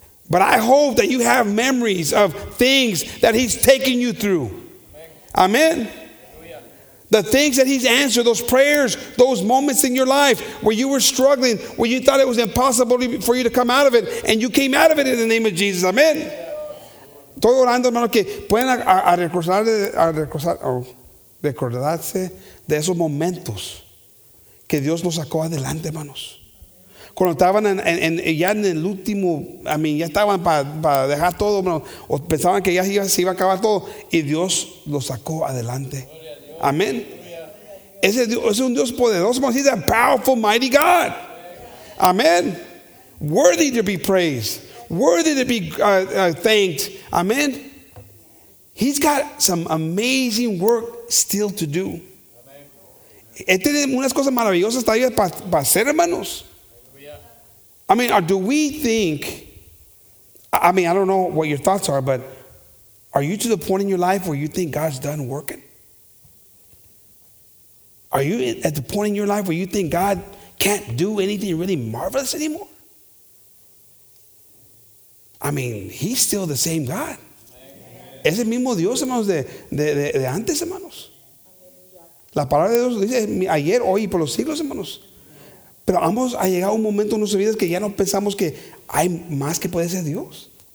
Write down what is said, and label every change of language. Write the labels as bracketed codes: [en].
[en] But I hope that you have memories of things that he's taking you through. Amen. The things that he's answered, those prayers, those moments in your life where you were struggling, where you thought it was impossible for you to come out of it, and you came out of it in the name of Jesus. Amen. [es] Estoy orando, hermano, que puedan recordarse de esos momentos que Dios los sacó adelante, hermanos. Cuando estaban en el último, [en] I mean, [es] ya estaban para dejar todo, hermano, o pensaban que ya se iba a acabar todo, y Dios los sacó adelante. Amén. Ese es un Dios poderoso. [en] He's a powerful, mighty God. [es] Amén. [en] Worthy to be praised. Worthy to be thanked. Amén. He's got some amazing work still to do. [es] Él tiene unas cosas maravillosas todavía para hacer, hermanos. [en] I mean, do we think, I mean, I don't know what your thoughts are, but are you to the point in your life where you think God's done working? Are you at the point in your life where you think God can't do anything really marvelous anymore? I mean, he's still the same God. [es] Es el mismo Dios, hermanos, de antes, hermanos. La palabra de Dios dice ayer, hoy y por los siglos, hermanos. Pero ambos ha llegado un momento en nuestras vidas que ya no pensamos que hay más que puede ser Dios.